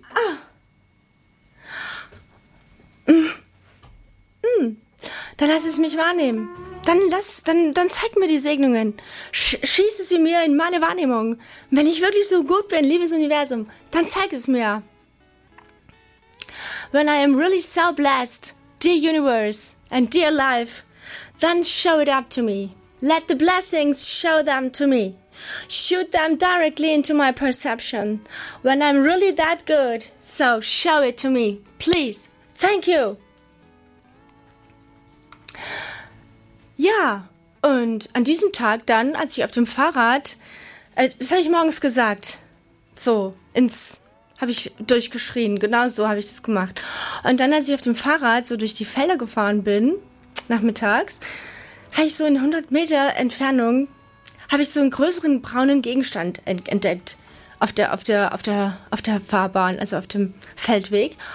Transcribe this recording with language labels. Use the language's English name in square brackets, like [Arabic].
[German] Ah. Dann lass es mich wahrnehmen. Dann zeig mir die Segnungen. Schieße sie mir in meine Wahrnehmung. Wenn ich wirklich so gut bin, liebes Universum, dann zeig es mir. [English] When I am really so blessed, dear universe and dear life, then show it up to me. Let the blessings show them to me. Shoot them directly into my perception. When I'm really that good, so show it to me. Please. Thank you. [German] Ja, und an diesem Tag dann, als ich auf dem Fahrrad, das habe ich morgens gesagt, so ins, habe ich durchgeschrien, genau so habe ich das gemacht. Und dann, als ich auf dem Fahrrad so durch die Felder gefahren bin, nachmittags, habe ich so in 100 Meter Entfernung, habe ich so einen größeren braunen Gegenstand entdeckt auf der Fahrbahn, also auf dem Feldweg.